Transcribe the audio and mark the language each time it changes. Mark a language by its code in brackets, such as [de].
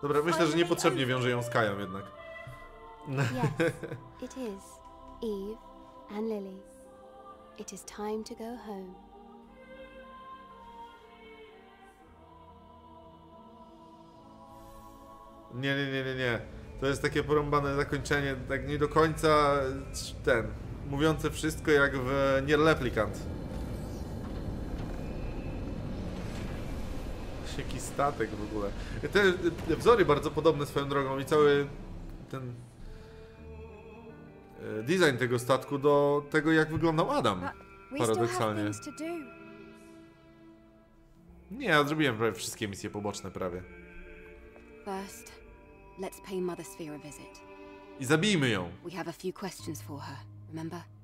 [pl] Dobra, myślę, że niepotrzebnie wiąże ją z Kają jednak. [en] Yes, it is, Eve. And Lily, it is time to go home. [pl] Nie. To jest takie porąbane zakończenie, tak nie do końca ten. Mówiące wszystko jak w Nier Replicant. Jaki statek w ogóle. Te wzory bardzo podobne swoją drogą i cały ten... design tego statku do tego, jak wyglądał Adam, paradoksalnie. Nie, ja zrobiłem prawie wszystkie misje poboczne, prawie. [en] First, let's pay Mother Sphere a visit. [pl] I zabijmy ją. [en] We have a few questions for her, remember?